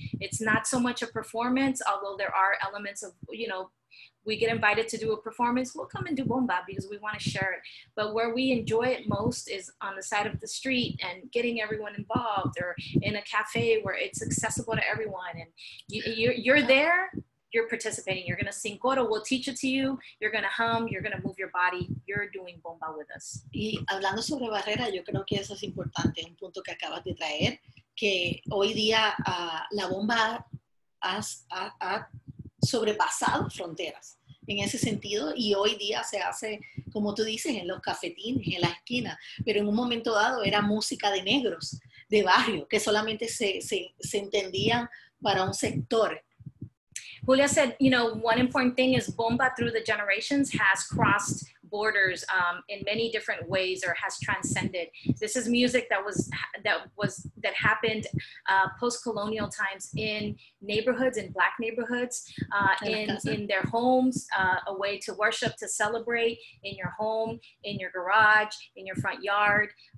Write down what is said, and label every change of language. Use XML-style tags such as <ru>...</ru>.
<en>It's not so much a performance, although there are elements of, you know, we get invited to do a performance, we'll come and do bomba because we want to share it. But where we enjoy it most is on the side of the street and getting everyone involved, or in a cafe where it's accessible to everyone. And you're there, you're participating. You're going to sing coro, we'll teach it to you. You're going to hum, you're going to move your body. You're doing bomba with us.</en> <es>Y hablando sobre barrera, yo creo que eso es importante, un punto que acabas de traer, que hoy día la bomba ha sobrepasado fronteras en ese sentido, y hoy día se hace, como tú dices, en los cafetines, en la esquina, pero en un momento dado era música de negros, de barrio, que solamente se entendían para un sector.</es> <en>Julia said, you know, one important thing is bomba through the generations has crossed borders in many different ways, or has transcended. This is music that happened post-colonial times in neighborhoods, in Black neighborhoods, in their homes, a way to worship, to celebrate in your home, in your garage, in your front yard.</en>